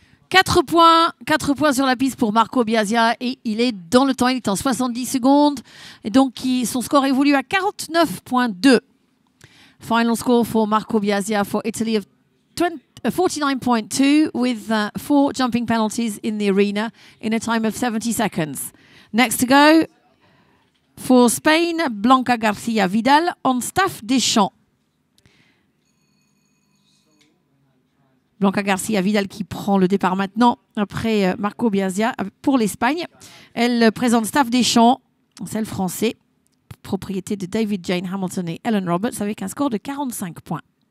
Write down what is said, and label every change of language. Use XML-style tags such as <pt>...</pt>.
<fr>4 points sur la piste pour Marco Biasia et il est dans le temps, il est en 70 secondes et donc son score évolue à 49.2.</fr> <en>Final score for Marco Biasia for Italy of 49.2 with 4 jumping penalties in the arena in a time of 70 seconds. Next to go for Spain, Blanca Garcia Vidal on Staff Deschamps.</en> <fr>Blanca Garcia Vidal qui prend le départ maintenant après Marco Biasia pour l'Espagne. Elle présente Staff Deschamps, celle française, propriété de David Jane Hamilton et Ellen Roberts avec un score de 45 points.</fr>